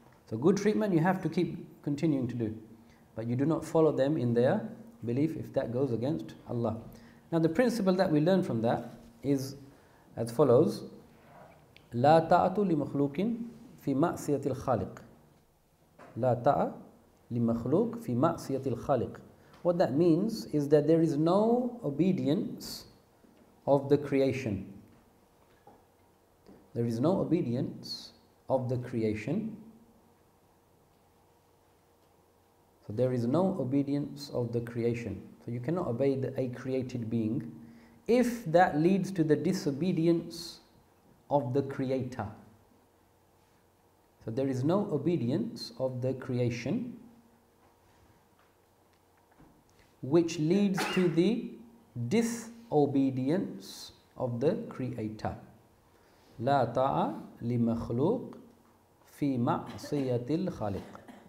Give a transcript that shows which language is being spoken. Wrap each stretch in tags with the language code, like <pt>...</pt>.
<en>So good treatment you have to keep continuing to do, but you do not follow them in their belief if that goes against Allah. Now the principle that we learn from that is as follows:</en> <ar>لا تاعة لمخلوق في معصية الخالق. لا تاعة لمخلوق في معصية الخالق.</ar> <en>What that means is that there is no obedience of the creation. There is no obedience of the creation. So there is no obedience of the creation. So you cannot obey a created being if that leads to the disobedience of the creator. So there is no obedience of the creation which leads to the disobedience of the creator.</en> <ar>لا تاعة لمخلوق في معصية الخالق.</ar>